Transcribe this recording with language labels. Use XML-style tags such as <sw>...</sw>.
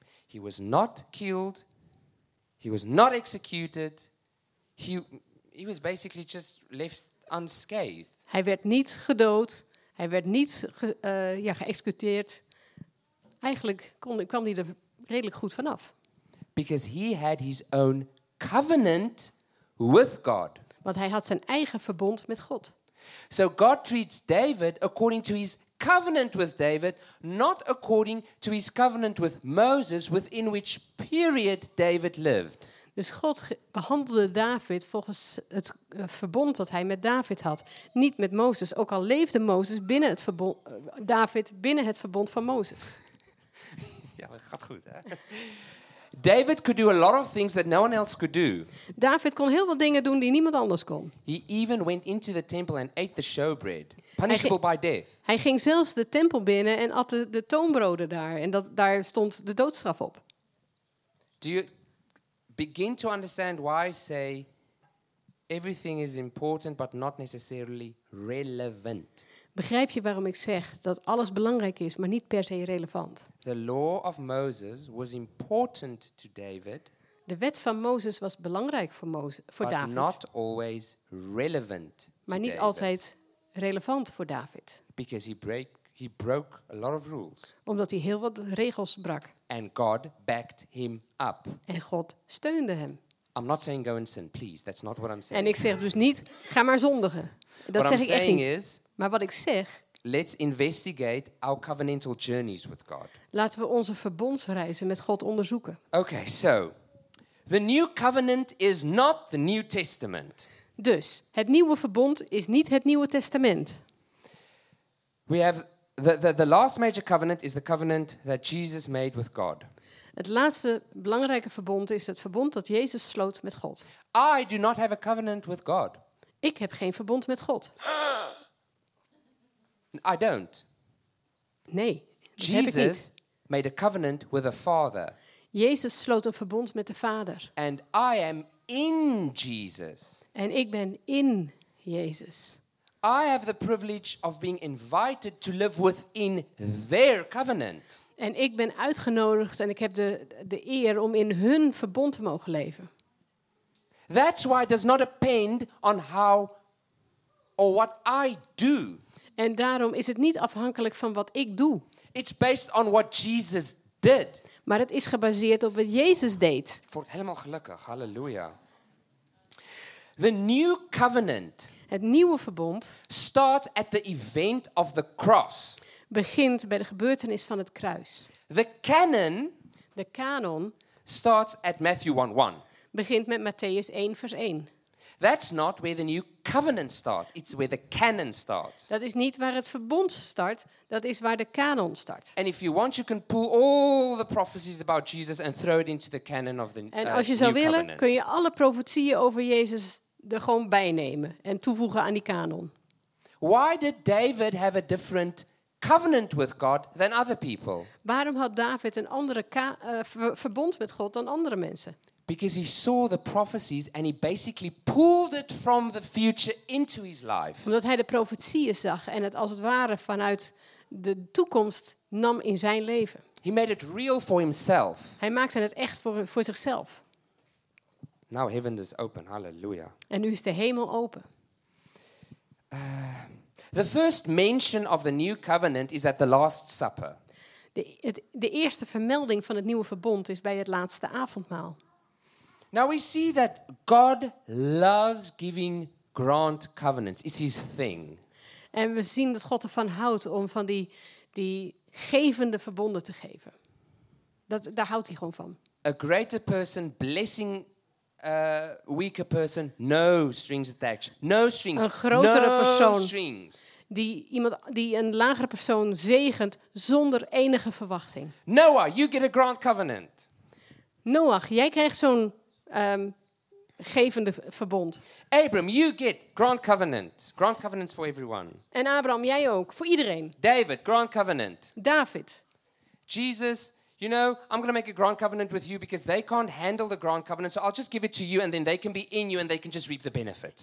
<en>He was not killed. He was not executed. He was basically just left unscathed.</en> <nl>Hij werd niet gedood. Hij werd niet geëxecuteerd. Eigenlijk kwam hij er redelijk goed vanaf.</nl> <en>Because he had his own covenant with God.</en> <nl>Want hij had zijn eigen verbond met God.</nl> <en>So God treats David according to his covenant with David, not according to his covenant with Moses, within which period David lived.</en> <nl>Dus God behandelde David volgens het verbond dat hij met David had, niet met Mozes. Ook al leefde Mozes binnen het verbond, David binnen het verbond van Mozes. Ja, dat gaat goed, hè?</nl> <en>David could do a lot of things that no one else could do.</en> <nl>David kon heel veel dingen doen die niemand anders kon.</nl> <en>He even went into the temple and ate the showbread, punishable by death.</en> <nl>Hij ging zelfs de tempel binnen en at de toonbroden daar, en daar stond de doodstraf op.</nl> <en>Do you begin to understand why I say everything is important but not necessarily relevant?</en> <nl>Begrijp je waarom ik zeg dat alles belangrijk is, maar niet per se relevant?</nl> <en>The law of Moses was important to David.</en> <nl>De wet van Mozes was belangrijk voor Mozes, voor</nl> <en>but David. But not always relevant.</en> <nl>Maar</nl> <en>to</en> <nl>niet David. Altijd relevant voor David.</nl> <en>Because he broke a lot of rules.</en> <nl>Omdat hij heel wat regels brak.</nl> <en>And God backed him up.</en> <nl>En God steunde hem.</nl> <en>I'm not saying go and sin, please. That's not what I'm saying.</en> <nl>En ik zeg dus niet ga maar zondigen. Dat zeg ik echt niet. Maar wat ik zeg,</nl> <en>let's investigate our covenantal journeys with God.</en> <nl>Laten we onze verbondsreizen met God onderzoeken.</nl> <en>Okay, so the new covenant is not the New Testament.</en> <nl>Dus het nieuwe verbond is niet het Nieuwe Testament.</nl> <en>We have the last major covenant is the covenant that Jesus made with God.</en> <nl>Het laatste belangrijke verbond is het verbond dat Jezus sloot met God.</nl> <en>I do not have a covenant with God.</en> <nl>Ik heb geen verbond met God.</nl> <en>I don't.</en> <nl>Nee.</nl> <en>Jesus made a covenant with the Father.</en> <nl>Jezus sloot een verbond met de Vader.</nl> <en>And I am in Jesus.</en> <nl>En ik ben in Jezus.</nl> <en>I have the privilege of being invited to live within their covenant.</en> <nl>En ik ben uitgenodigd en ik heb de eer om in hun verbond te mogen leven.</nl> <en>That's why it does not depend on how or what I do.</en> <nl>En daarom is het niet afhankelijk van wat ik doe.</nl> <en>It's based on what Jesus did.</en> <nl>Maar het is gebaseerd op wat Jezus deed. Ik word helemaal gelukkig.</nl> <en>Halleluja. The new covenant.</en> <nl>Het nieuwe verbond.</nl> <en>Starts at the event of the cross.</en> <nl>Begint bij de gebeurtenis van het kruis.</nl> <en>The canon.</en> <nl>De kanon.</nl> <en>Starts at Matthew 1:1.</en> <nl>Begint met Matthäus 1 vers 1.</nl> <en>That's not where the new covenant starts. It's where the canon starts.</en> <nl>Dat is niet waar het verbond start. Dat is waar de kanon start.</nl> <en>And if you want, you can pull all the prophecies about Jesus and throw it into the canon of the new covenant.</en> <nl>En als je zou willen, kun je alle profetieën over Jezus er gewoon bijnemen en toevoegen aan die kanon.</nl> <en>Why did David have a different covenant with God than other people?</en> <nl>Waarom had David een andere verbond met God dan andere mensen?</nl> <en>Because he saw the prophecies and he basically pulled it from the future into his life.</en> <nl>Omdat hij de profetieën zag en het als het ware vanuit de toekomst nam in zijn leven.</nl> <en>He made it real for himself.</en> <nl>Hij maakte het echt voor zichzelf.</nl> <en>Now heaven is open. Hallelujah.</en> <nl>En nu is de hemel open.</nl> <en>The first mention of the new covenant is at the Last Supper.</en> <nl>De eerste vermelding van het nieuwe verbond is bij het laatste avondmaal.</nl> <en>Now we see that God loves giving grant covenants. It's his thing.</en> <nl>En we zien dat God ervan houdt om van die gevende verbonden te geven. Daar houdt hij gewoon van.</nl> <en>A greater person blessing a weaker person, no strings attached. No strings.</en> <nl>Een grotere</nl> <en>no</en> <nl>persoon</nl> <en>strings.</en> <nl>Die een lagere persoon zegent zonder enige verwachting.</nl> <en>Noah, you get a grant covenant.</en> <nl>Noach, jij krijgt zo'n gevende verbond.</nl> <en>Abram, you get grant covenant. Grant covenants for everyone.</en> <nl>En Abraham, jij ook, voor iedereen.</nl> <en>David, grant covenant.</en> <nl>David.</nl> <en>Jesus, you know, I'm going to make a grant covenant with you because they can't handle the grant covenant, so I'll just give it to you and then they can be in you and they can just reap the benefits.</en>